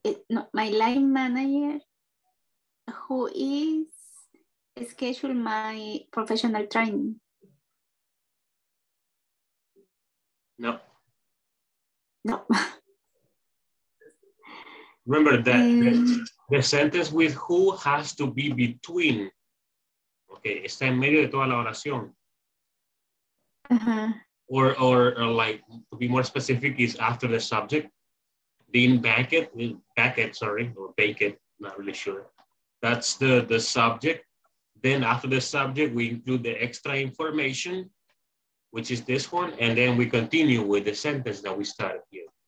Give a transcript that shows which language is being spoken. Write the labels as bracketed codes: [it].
[en] No, my line manager who is schedule my professional training. No. No. Remember that the sentence with who has to be between. [es] Okay, está en medio de toda la oración. Uh-huh. [en] Or like to be more specific is after the subject. Dean Beckett, sorry, or Beckett, not really sure. That's the subject. Then after the subject, we include the extra information, which is this one, and then we continue with the sentence that we started here.